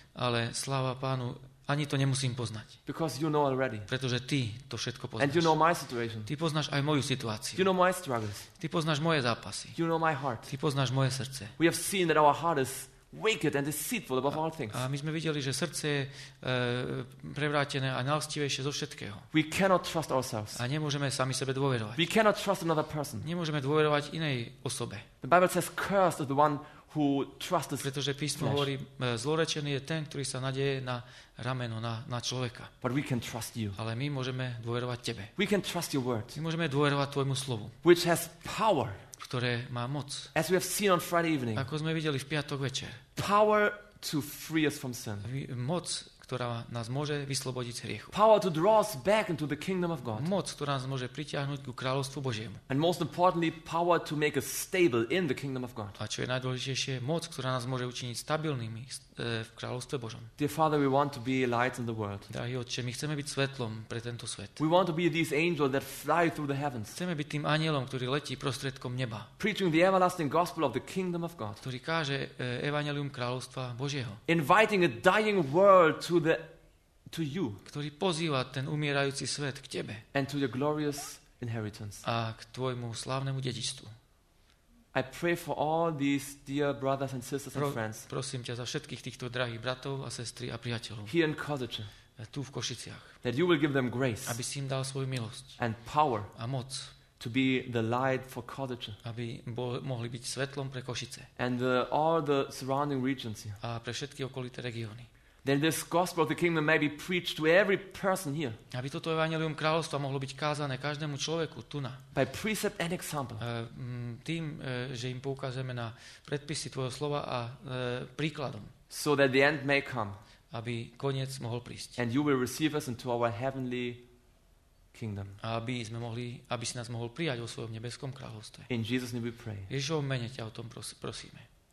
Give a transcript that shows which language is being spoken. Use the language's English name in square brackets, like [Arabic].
[Slovak] Ale sláva Pánu, ani to nemusím poznať. [English] Because you know already. [Slovak] Pretože ty to všetko poznáš. [English] And you know my situation. [Slovak] Ty poznáš aj moju situáciu. [English] You know my struggles. [Slovak] Ty poznáš moje zápasy. [English] You know my heart. [Slovak] Ty poznáš moje srdce. [English] We have seen that our heart is wicked and deceitful above all things. [Slovak] A my sme videli, že srdce je prevrátené a nalstivejšie zo všetkého. [English] We cannot trust ourselves. [Slovak] A nemôžeme sami sebe dôverovať. [English] We cannot trust another person. [Slovak] Nemôžeme dôverovať inej osobe. [English] The Bible says cursed is the one who trusts. [Slovak] Pretože písmo hovorí, zlorečený je ten, ktorý sa nadeje na rameno, na človeka. [English] But we can trust you. [Slovak] Ale my môžeme dôverovať tebe. [English] We can trust your word. [Slovak] My môžeme dôverovať tvojmu slovu. [English] Which has power. [Slovak] Ktoré má moc. [English] As we have seen on Friday evening. [Slovak] Ako sme videli v piatok večer. [English] Power to free us from sin. [Slovak] Moc, ktorá nás môže vyslobodiť z hriechu. [English] Power to draw us back into the kingdom of God. [Slovak] Moc, ktorá nás môže pritiahnuť ku kráľovstvu Božiemu. [English] And most importantly, power to make us stable in the kingdom of God. [Slovak] A čo je najdôležitejšie, moc, ktorá nás môže učiniť stabilnými v kráľovstve Božom. [English] Dear Father, we want to be light in the world. [Slovak] Drahý Otče, my chceme byť svetlom pre tento svet. [English] We want to be these angels that fly through the heavens. [Slovak] Chceme byť tým anjelom, ktorý letí prostredkom neba. [English] Preaching the everlasting gospel of the kingdom of God. [Slovak] Ktorý káže evanjelium kráľovstva Božieho. [English] Inviting a dying world to you. [Slovak] Ktorý pozýva ten umierajúci svet k tebe. [English] And to your glorious inheritance. [Slovak] A k tvojmu slávnemu dedičstvu. [English] I pray for all these dear brothers and sisters and friends. [Slovak] Prosím ťa za všetkých týchto drahých bratov a sestry a priateľov. [English] Here in Košice. [Slovak] Tu v Košiciach. [English] That you will give them grace. [Slovak] Aby si im dal svoju milosť. [English] And power. [Slovak] A moc. [English] To be the light for Košice. [Slovak] Aby mohli byť svetlom pre Košice. [English] And all the surrounding regions. [Slovak] A pre všetky okolité regióny. [English] Then this gospel of the kingdom may be preached to every person here. [Slovak] Aby toto evanjelium kráľovstva mohlo byť kázané každému človeku tu na. [English] By precept and example. [Slovak] Tým, že im poukazujeme na predpisy tvojho slova a príkladom. [English] So that the end may come. [Slovak] Aby koniec mohol prísť. [English] And you will receive us into our heavenly kingdom. [Slovak] Aby si nás mohol prijať vo svojom nebeskom kráľovstve. [English] In Jesus name we pray. [Slovak] Ježišovom mene ťa o tom prosíme.